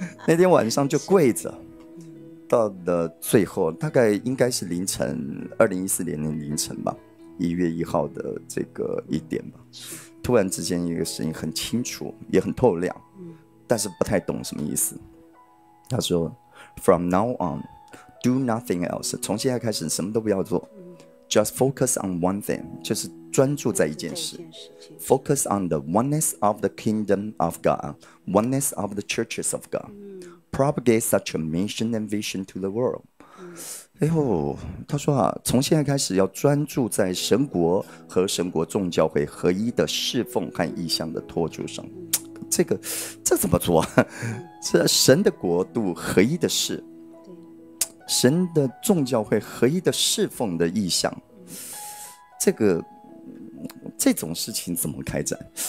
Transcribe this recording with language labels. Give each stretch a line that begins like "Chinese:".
Chinese: 那天晚上就跪着，到了最后，大概应该是凌晨，2014年的凌晨吧，1月1号的这个1点吧。突然之间，一个声音很清楚，也很透亮，但是不太懂什么意思。他说
English: ：“From now on, do nothing else。”
Chinese: 从现在开始，什么都不要做。
English: Just focus on one thing，
Chinese: 就是专注在一件事。
English: Focus on the oneness of the kingdom of God, oneness of the churches of God. Propagate such a mission and vision to the world.
Chinese: 哎呦，他说啊，从现在开始要专注在神国和神国众教会合一的侍奉和意向的托住上。这怎么做？这神的国度合一的事。神的众教会合一的侍奉的意向，这种事情怎么开展？